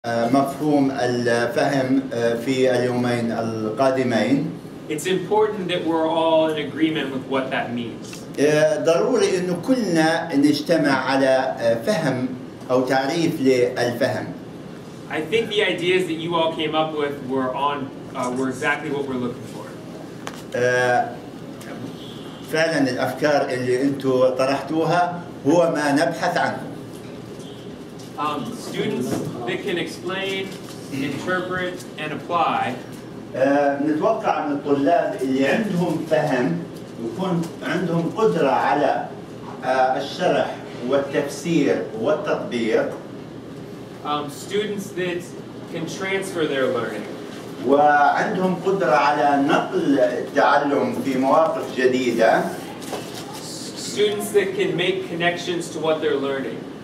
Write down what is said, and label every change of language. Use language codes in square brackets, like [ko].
[ar] مفهوم الفهم في اليومين القادمين. [en] It's important that we're all in agreement with what that means. [ar] ضروري إنه كلنا نجتمع على فهم أو تعريف للفهم. [en] I think the ideas that you all came up with were on were exactly what we're looking for. [ar] فعلاً الأفكار اللي أنتوا طرحتوها هو ما نبحث عنه. [en] Students that can explain, interpret, and apply. [ar] نتوقع من الطلاب اللي عندهم فهم يكون عندهم قدرة على الشرح والتفسير والتطبيق. [en] Students that can transfer their learning. [ar] وعندهم قدرة على نقل التعلم في مواقف جديدة. [en] Students that can make connections to what they're learning.